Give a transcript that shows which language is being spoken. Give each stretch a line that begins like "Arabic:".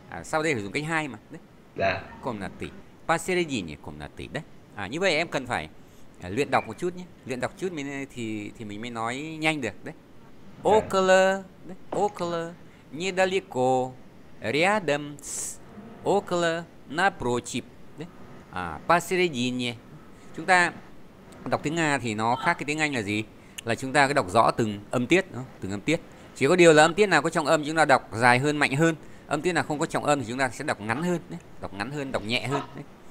Vietnamese: Sau đây phải dùng cái hai mà.
Russian: Да. Да. Комнаты. Посередине комнаты, да?
Vietnamese: Như vậy em cần phải luyện đọc một chút nhé. Luyện đọc chút mình thì mình mới nói nhanh được đấy.
Russian: Около, да? Около, недалеко, рядом, около, напротив, да? Посередине.
Vietnamese: Chúng ta đọc tiếng Nga thì nó khác cái tiếng Anh là gì? Là chúng ta cứ đọc rõ từng âm tiết, đúng không? Từng âm tiết. Chỉ có điều là âm tiết nào có trọng âm chúng ta đọc dài hơn, mạnh hơn. Âm tiết nào không có trọng âm thì chúng ta sẽ đọc ngắn hơn đấy. Đọc ngắn hơn, đọc nhẹ hơn đấy.